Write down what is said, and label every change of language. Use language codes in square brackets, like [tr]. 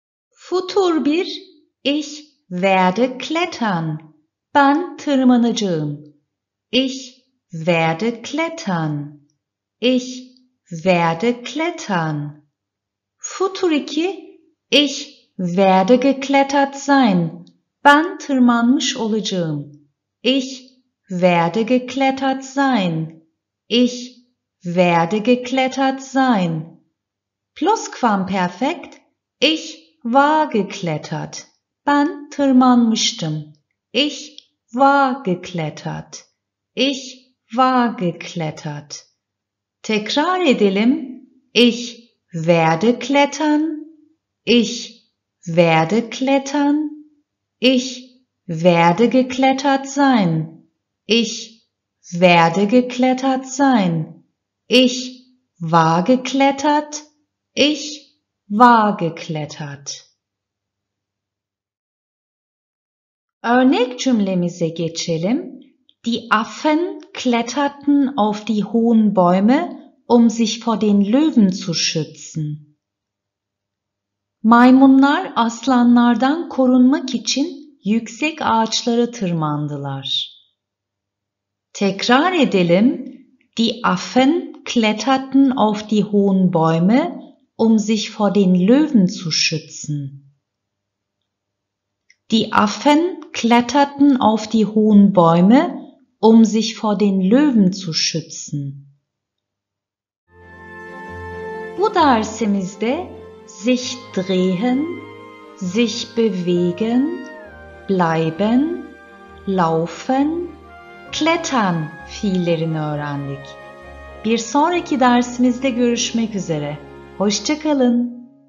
[de] Futur 1, ich werde klettern. [tr] Ben tırmanacağım. [de] Ich werde klettern. Ich werde klettern. Futuriki, ich werde geklettert sein. [tr] Ben tırmanmış olacağım. [de] Ich werde geklettert sein. Ich werde geklettert sein. Plusquamperfekt. Ich war geklettert. [tr] Ben tırmanmıştım. [de] Ich war geklettert. Ich war geklettert. [tr] Tekrar edelim. [de] Ich werde klettern. Ich werde klettern. Ich werde geklettert sein. Ich werde geklettert sein. Ich war geklettert. Ich war geklettert. [tr] Örnek cümlemize geçelim. [de] Die Affen kletterten auf die hohen Bäume, um sich vor den Löwen zu schützen. [tr] Maymunlar aslanlardan korunmak için yüksek ağaçlara tırmandılar. Tekrar edelim. [de] Die Affen kletterten auf die hohen Bäume, um sich vor den Löwen zu schützen. Die Affen kletterten auf die hohen Bäume, um sich vor den Löwen zu schützen. [tr] Bu dersimizde [de] sich drehen, sich bewegen, bleiben, laufen, klettern [tr] fiillerini öğrendik. Bir sonraki dersimizde görüşmek üzere. Hoşça kalın.